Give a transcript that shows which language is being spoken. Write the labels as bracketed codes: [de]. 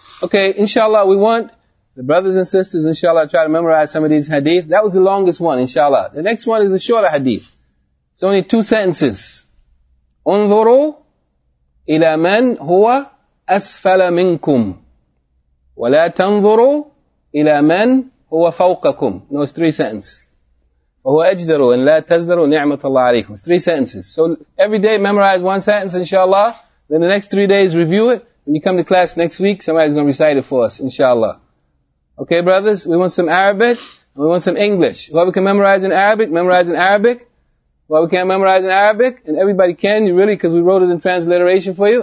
[en] Okay, inshallah, we want the brothers and sisters, inshallah, try to memorize some of these hadith. That was the longest one, inshallah. The next one is a shorter hadith. It's only two sentences. Unzuru. [ar] إلى من هو أسفل منكم ولا تنظروا إلى من هو فوقكم. [en] No, it's three sentences. [ar] وهو أجدر إن لا تزدروا نعمة الله عليكم. [en] It's three sentences. So every day memorize one sentence, inshallah. Then the next 3 days review it. When you come to class next week, somebody's going to recite it for us, inshallah. Okay, brothers, we want some Arabic and we want some English. Whoever can memorize in Arabic, memorize in Arabic. Well, we can't memorize in Arabic, and everybody can, you really, because we wrote it in transliteration for you.